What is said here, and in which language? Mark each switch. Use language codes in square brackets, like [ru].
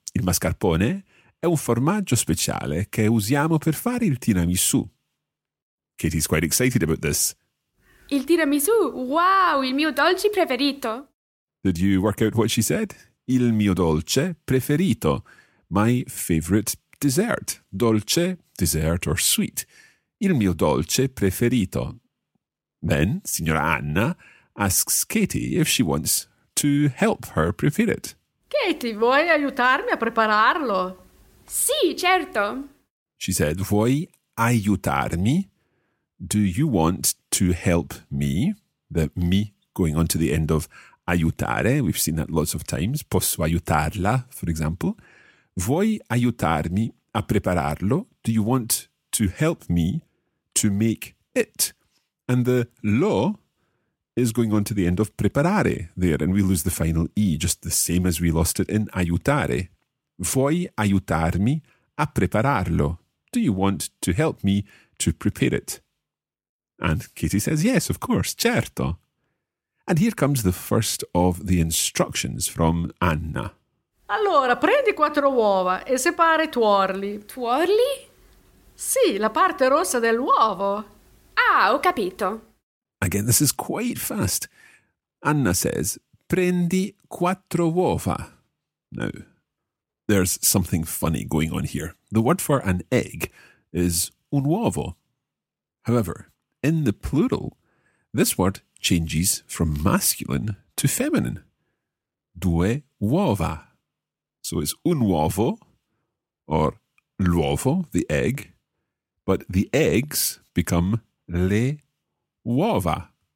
[it] Il mascarpone è un formaggio speciale che usiamo per fare il tiramisù. [en] Katie's quite excited about this. [it] Il tiramisù, wow, il mio dolce preferito. [en] Did you work out what she said? [it] Il mio dolce preferito, [en] my favorite dessert. [it] Dolce, [en] dessert or sweet. [it] Il mio dolce preferito. [en] Then, Signora Anna asks Katie if she wants to help her prepare it. [it] Katie, vuoi aiutarmi a prepararlo? Sì, certo. [en] She said, [it] vuoi aiutarmi? [en] Do you want to help me? The me going on to the end of aiutare. We've seen that lots of times. [it] Posso aiutarla, [en] for example. [it] Vuoi aiutarmi a prepararlo? [en] Do you want to help me to make it? And the lo is going on to the end of preparare there. And we lose the final e, just the same as we lost it in aiutare. [it] Vuoi aiutarmi a prepararlo? [en] Do you want to help me to prepare it. And Katie says, yes, of course, certo. And here comes the first of the instructions from Anna. [it] Allora, prendi quattro uova e separa i tuorli. Tuorli? Sì, la parte rossa dell'uovo. Ah, ho capito. [en] Again, this is quite fast. Anna says, [it] prendi quattro uova. [en] Now, there's something funny going on here. The word for an egg is un uovo. However, in the plural, this word changes from masculine to feminine. [it] Due uova. [en] So it's un uovo or l'uovo, the egg, but the eggs become le uova.